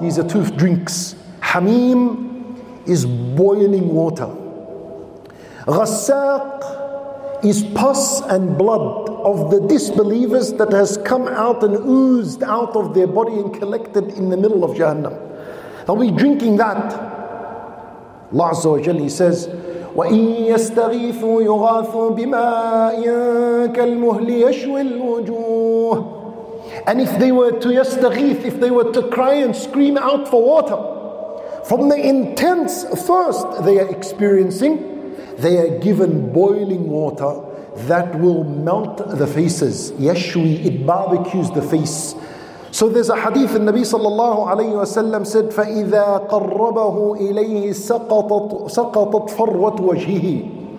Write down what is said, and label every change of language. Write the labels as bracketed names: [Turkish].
[English] These are two drinks. Hamim is boiling water. Ghassaq is pus and blood of the disbelievers that has come out and oozed out of their body and collected in the middle of Jahannam. Are we drinking that? Allah Azza wa Jalla says, [Arabic] وَإِن يَسْتَغِيثُوا يُغَاثُوا بِمَاءٍ كَالْمُهْلِ يَشْوِي الْوُجُوهِ. [English] And if they were to yastaghith, if they were to cry and scream out for water, from the intense thirst they are experiencing, they are given boiling water that will melt the faces. Yashwi, it barbecues the face. So there's a hadith in Nabi sallallahu alayhi wa sallam said, [Arabic] فَإِذَا قَرَّبَهُ إِلَيْهِ سَقَطَتْ فَرْوَةُ وَجْهِهِ.